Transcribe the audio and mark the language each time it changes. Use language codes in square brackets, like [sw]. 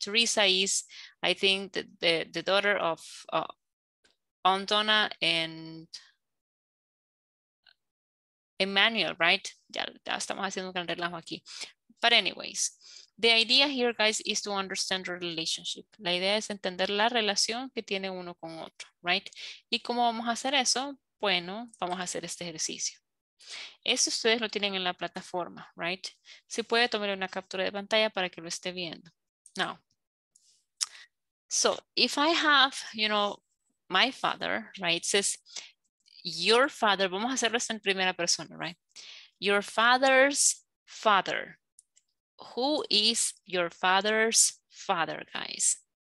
[en] Teresa is, I think, the daughter of Aunt Donna and Emmanuel, right? [es] Ya estamos haciendo un gran relajo aquí. [en] But anyways, the idea here, guys, is to understand the relationship. [es] La idea es entender la relación que tiene uno con otro, right? ¿Y cómo vamos a hacer eso? Bueno, vamos a hacer este ejercicio. Eso ustedes lo tienen en la plataforma, right? Si puede, tomar una captura de pantalla para que lo esté viendo. [en] Now, so if I have, you know, my father, right? It says, your father, [es] vamos a hacerlo en primera persona, right? [en] Your father's father. Who is your father's father, guys?